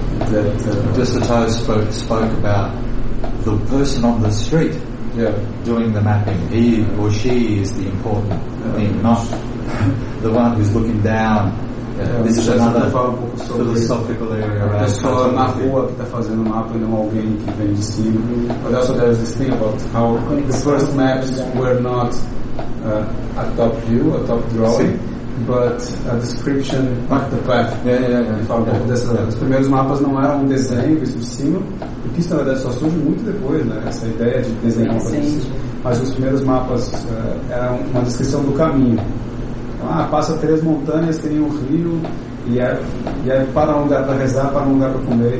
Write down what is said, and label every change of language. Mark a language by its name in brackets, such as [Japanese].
[English] De Sertão spoke about the person on the street doing the mapping. He or she is the important thing, not the one who's looking down. This is another philosophical area. [Portuguese] A pessoa na rua que está fazendo o mapa e não alguém que vem de cima. [English] But also there's this thing about how the first maps were not a top view, a top drawing, but a description of the path. [Portuguese] Os primeiros mapas não eram um desenho visto de cima, porque isso na verdade só surge muito depois, né? Essa ideia de desenhar mapas. Mas os primeiros mapas eram uma descrição do caminho. Ah, passa três montanhas, tem um rio e é para um lugar para rezar, para um lugar para comer.